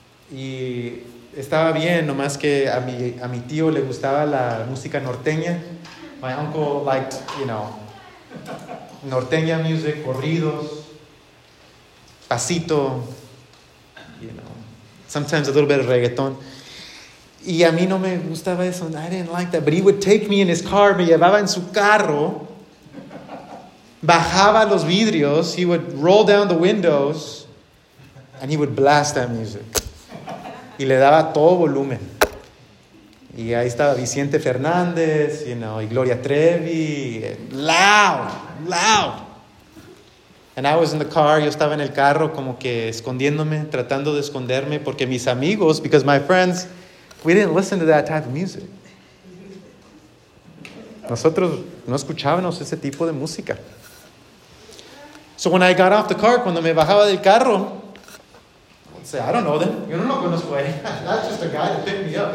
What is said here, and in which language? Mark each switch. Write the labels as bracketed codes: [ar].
[es] Y estaba bien, nomás que a mi tío le gustaba la música norteña. [en] My uncle liked, you know, norteña music, corridos, pasito, you know, sometimes a little bit of reggaeton. [es] Y a mí no me gustaba eso. [en] I didn't like that. But he would take me in his car. [es] Me llevaba en su carro. Bajaba los vidrios. [en] He would roll down the windows. And he would blast that music. [es] Y le daba todo volumen. Y ahí estaba Vicente Fernández, you know, y Gloria Trevi. [en] Loud, loud. And I was in the car. [es] Yo estaba en el carro como que escondiéndome, tratando de esconderme. Porque mis amigos, [en] because my friends... We didn't listen to that type of music. [es] Nosotros no escuchábamos ese tipo de música. [en] So when I got off the car, [es] cuando me bajaba del carro, [en] I'd say, I don't know them. [es] Yo no lo conozco a él. [en] That's just a guy that picked me up.